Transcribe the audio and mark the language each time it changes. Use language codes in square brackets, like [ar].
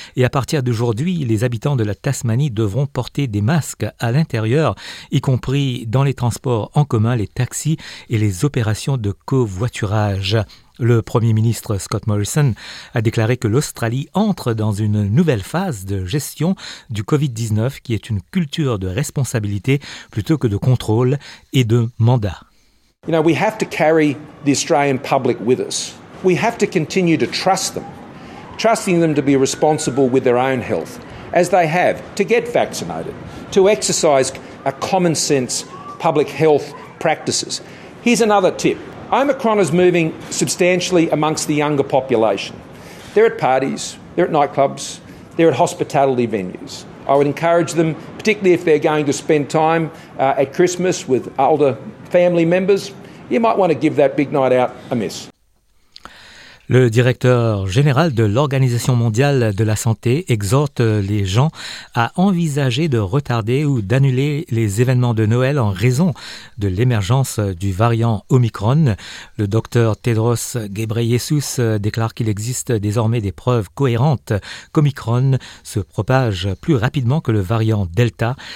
[fr] Et à partir d'aujourd'hui, les habitants de la Tasmanie devront porter des masques à l'intérieur, y compris dans les transports en commun, les taxis et les opérations de covoiturage. Le Premier ministre Scott Morrison a déclaré que l'Australie entre dans une nouvelle phase de gestion du Covid-19 qui est une culture de responsabilité plutôt que de contrôle et de mandat. [en] You know, we have to carry the Australian public with us. We have to continue to trust them. Trusting them to be responsible with their own health, as they have, to get vaccinated, to exercise a common sense public health practices. Here's another tip. Omicron is moving substantially amongst the younger population. They're at parties, they're at nightclubs, they're at hospitality venues. I would encourage them, particularly if they're going to spend time at Christmas with older family members, you might want to give that big night out a miss. [fr] Le directeur général de l'Organisation mondiale de la santé exhorte les gens à envisager de retarder ou d'annuler les événements de Noël en raison de l'émergence du variant Omicron. Le docteur Tedros Ghebreyesus déclare qu'il existe désormais des preuves cohérentes qu'Omicron se propage plus rapidement que le variant Delta.